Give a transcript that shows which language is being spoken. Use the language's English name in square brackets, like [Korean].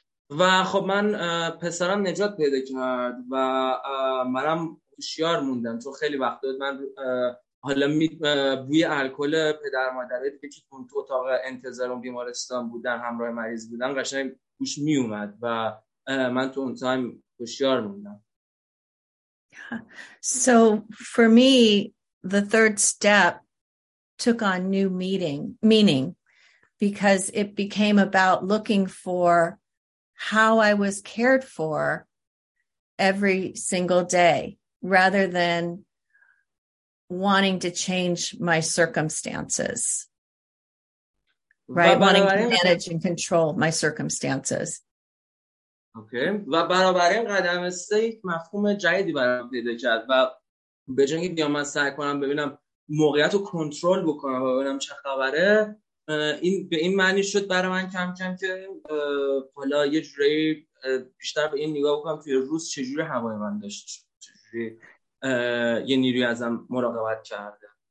[Persian] و خب من پسرم نجات پیدا کرد و منم هوشیار موندم، تو خیلی وقت بود من حالا بوی الکل پدر مادره دیگه که تو اتاق انتظار اون بیمارستان بودن همراه مریض بودن قشنگ گوش می اومد و من تو اون تایم هوشیار موندم. [English] So for me, the third step took on new meaning because it became about looking for how I was cared for every single day rather than wanting to change my circumstances, right? Wanting to manage and control my circumstances. [Persian] اوکی و برابر این قدم سه یک مفهوم جدیدی برام پیدا کرد و به جای اینکه بیام من سعی کنم ببینم موقعیت رو کنترل بکنم و ببینم چه خبره، این به این معنی شد برای من کم کم که حالا یه جوری بیشتر به این نگاه بکنم توی روز چجوری هوای من داشت، چجوری یه نیروی ازم مراقبت کرده.